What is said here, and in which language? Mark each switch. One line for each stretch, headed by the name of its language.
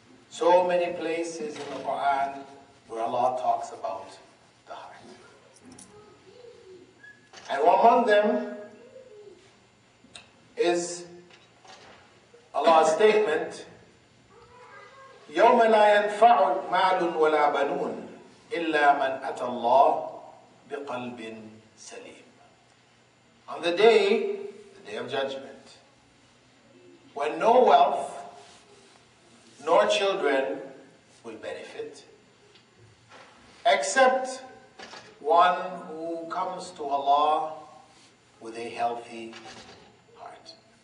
English: So many places in the Quran where Allah talks about the heart. And among them is Allah's statement,
Arabic: يَوْمَ لَا يَنْفَعُ مَالٌ وَلَا بَنُونَ إلا من أتى الله بقلب سليم.
English: On the day of judgment, when no wealth nor children will benefit, except one who comes to Allah with a healthy heart.